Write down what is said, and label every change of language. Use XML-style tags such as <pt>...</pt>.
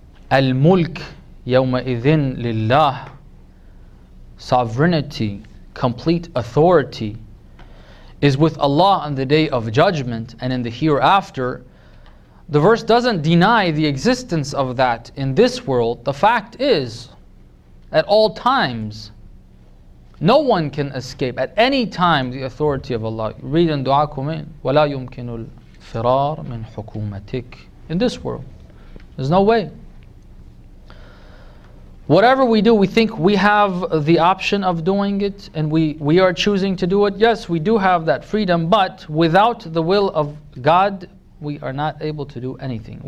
<ar>Al-mulk yawma idhin lillah.</ar> <en>Sovereignty, complete authority, is with Allah on the day of judgment and in the hereafter. The verse doesn't deny the existence of that in this world. The fact is, at all times, no one can escape at any time the authority of Allah. Read in Dua Kumin,</en> <ar>وَلَا يُمْكِنُ الْفِرَارُ مِنْ حُكُومَتِكَ.</ar> <en>In this world, there's no way. Whatever we do, we think we have the option of doing it, and we are choosing to do it. Yes, we do have that freedom, but without the will of God, we are not able to do anything.</en>